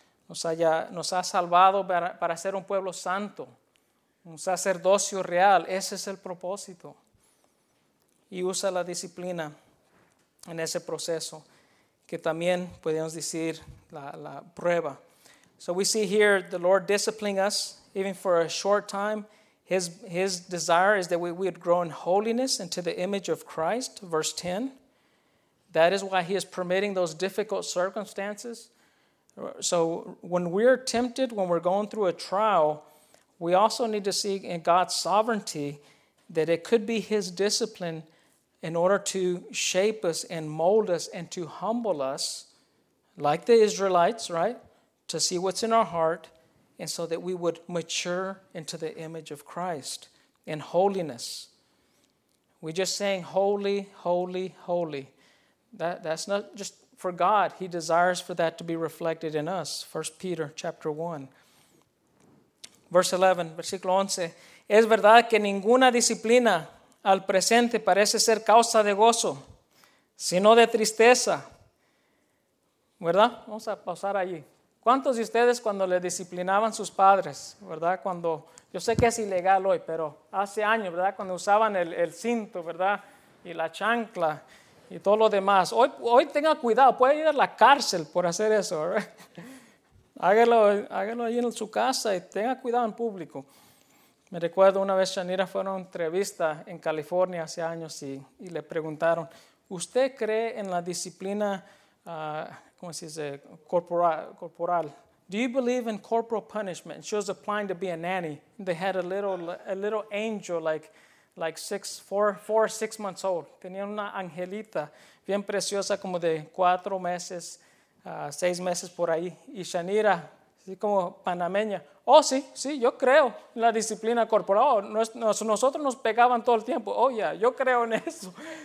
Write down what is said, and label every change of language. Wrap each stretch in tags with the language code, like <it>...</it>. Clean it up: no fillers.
<es>Nos ha salvado para ser un pueblo santo, un sacerdocio real. Ese es el propósito. Y usa la disciplina en ese proceso, que también podemos decir la prueba.</es> <en>So we see here the Lord disciplining us, even for a short time. His desire is that we would grow in holiness into the image of Christ, verse 10. That is why He is permitting those difficult circumstances. So when we're tempted, when we're going through a trial, we also need to see in God's sovereignty that it could be his discipline in order to shape us and mold us and to humble us, like the Israelites, right? To see what's in our heart, and so that we would mature into the image of Christ in holiness. We're just saying, holy, holy, holy. That's not just for God. He desires for that to be reflected in us. 1 Peter chapter 1. Verse 11,</en> <es>versículo 11. Es verdad que ninguna disciplina al presente parece ser causa de gozo, sino de tristeza. ¿Verdad? Vamos a pasar allí. ¿Cuántos de ustedes cuando le disciplinaban sus padres, verdad? Cuando, yo sé que es ilegal hoy, pero hace años, ¿verdad? Cuando usaban el cinto, ¿verdad? Y la chancla y todo lo demás. Hoy tenga cuidado, puede ir a la cárcel por hacer eso, ¿verdad? Hágalo ahí en su casa y tenga cuidado en público. Me recuerdo una vez Shanira fue a una entrevista en California hace años y le preguntaron, ¿usted cree en la disciplina ¿cómo se dice? Corporal.</es> <en>Do you believe in corporal punishment? She was applying to be a nanny. They had a little angel, like four or six months old.</en> <es>Tenían una angelita bien preciosa, como de 4 meses, 6 meses por ahí. Y Shanira, así como panameña. Oh, sí, yo creo en la disciplina corporal. Nosotros nos pegaban todo el tiempo. Oh, yeah, yo creo en eso.</es>